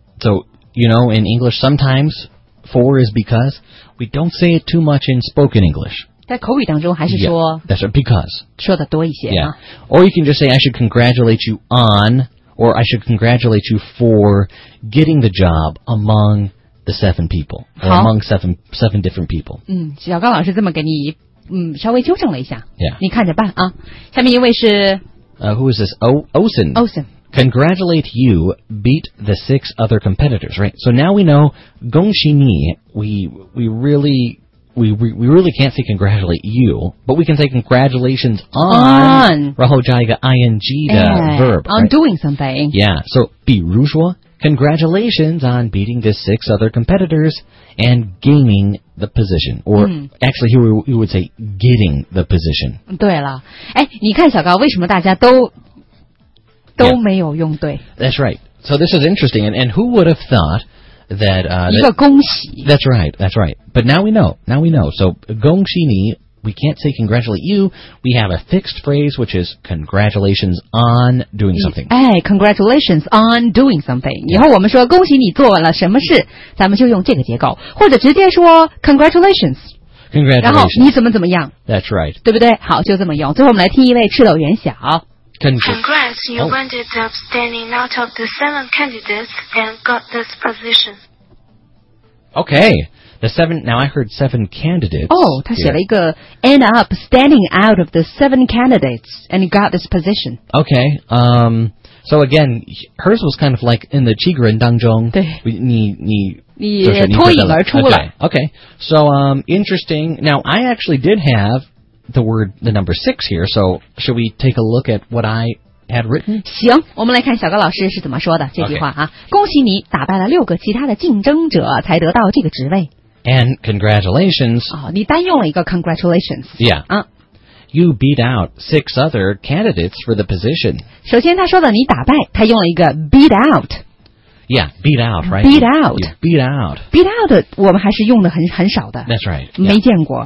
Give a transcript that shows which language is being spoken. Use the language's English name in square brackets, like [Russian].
[English] So, you know, in English sometimes... For is because we don't say it too much in spoken English. [Chinese] 在口语当中还是说 [English] yeah, that's right, because [Chinese] 说的多一些 [English] Yeah.、啊、 or you can just say I should congratulate you on, or I should congratulate you for getting the job among the seven people, or among seven different people. [Chinese] 嗯，小刚老师这么给你稍微纠正了一下。 [English] Yeah. [Chinese] 你看着办啊。下面一位是 [English] Who is this? Olsen. Olsen. Congratulate you beat the six other competitors, right? So now we know, [Chinese] 恭喜你, [English] we really can't say congratulate you, but we can say congratulations on [Chinese] 然后加一个 [English] ing 的 verb. On doing something. Yeah, so [Chinese] 比如说, [English] congratulations on beating the six other competitors and gaining the position. Or actually, here we would say getting the position. [Chinese] 对了，哎，你看小高，为什么大家都没有用对。 [English] Yeah, that's right. So this is interesting. And who would have thought that... [Chinese] 一个恭喜。 [English] That's right. That's right. But now we know. Now we know. So [Chinese] 恭喜你, [English] we can't say congratulate you. We have a fixed phrase, which is congratulations on doing something. 哎, congratulations on doing something. [Chinese] 以后我们说恭喜你做了什么事, 咱们就用这个结构。或者直接说 congratulations. [English] Congratulations. [Chinese] 然后你怎么怎么样。 [English] That's right. [Chinese] 对不对? 好,就这么用。最后我们来听一位赤斗元晓。 [English] Congrats, you ended up standing out of the seven candidates and got this position. Okay, the seven, now I heard seven candidates. Oh, [Chinese] 他写了一个 [English] end up standing out of the seven candidates and got this position. Okay, so again, hers was kind of like in the [Chinese] 七个人当中, 对, 你脱颖而出了。 [English] Okay, so interesting, now I actually did have,the number six here, so should we take a look at what I had written? [Chinese] 行，我们来看小高老师是怎么说的这句话啊。恭喜你打败了六个其他的竞争者才得到这个职位。 [English] And congratulations. [Chinese] 哦，你单用了一个 congratulations. [English] Yeah. 啊。 You beat out six other candidates for the position. [Chinese] 首先他说的你打败，他用了一个 beat out. [English] Yeah, beat out, right? Beat out. Beat out. [Chinese] Beat out, 我们还是用的很少的。 [English] That's right. [Chinese] 没见过。